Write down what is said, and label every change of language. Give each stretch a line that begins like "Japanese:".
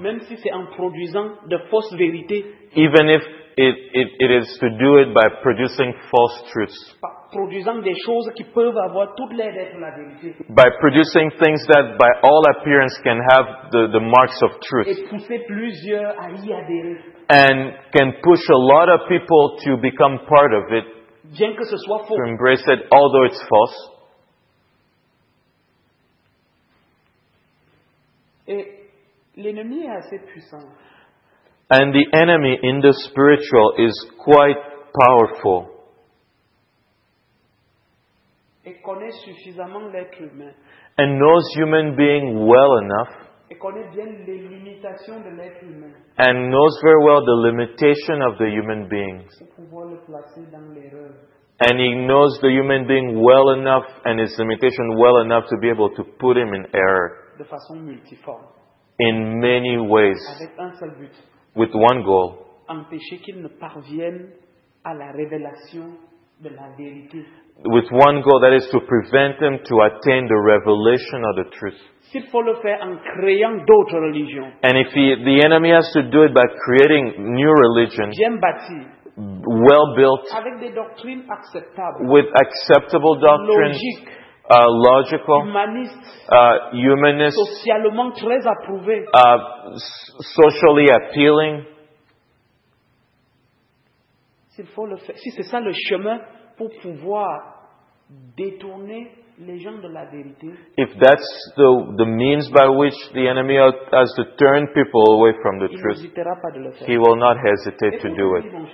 French: Même si c'est en produisant de fausses vérités.
English: Even if it is to do it by producing false truths.
French: Produisant des choses qui peuvent avoir toute l'air d'être la vérité.
English: By producing things that by all appearance can have the marks of truth.
French: Et pousser plusieurs à y adhérer.
English: And can push a lot of people to become part of it.
French: Bien que ce soit faux.
English: To embrace it, although it's false.
French: Et l'ennemi est assez puissant.
English: And the enemy in the spiritual is quite powerful.
French: et connaît suffisamment l'être humain,
English: and knows human being well enough,
French: et connaît bien les limitations de l'être humain,
English: and knows very well the limitation of the human beings,
French: pour pouvoir le placer dans l'erreur.
English: And he knows the human being well enough and his limitation well enough to be able to put him in error.
French: De façon multiforme.
English: In many ways.
French: Avec un seul but.
English: With one goal.
French: Empêcher qu'il ne parvienne à la révélation de la vérité.
English: With one goal, that is to prevent him to attain the revelation of the truth.
French: S'il faut le faire en créant d'autres religions.
English: And if the enemy has to do it by creating new religions.
French: Bien bâti.
English: Well built,
French: avec des doctrines acceptables,
English: with acceptable doctrines,
French: logique,
English: logical,
French: humaniste,
English: humanist,
French: socialement très approuvé,
English: socially appealing.
French: S'il faut le faire, si c'est ça le chemin pour pouvoir détourner les gens de la vérité,
English: if that's the means by which the enemy has to turn people away from the truth, he will not hesitate to do it.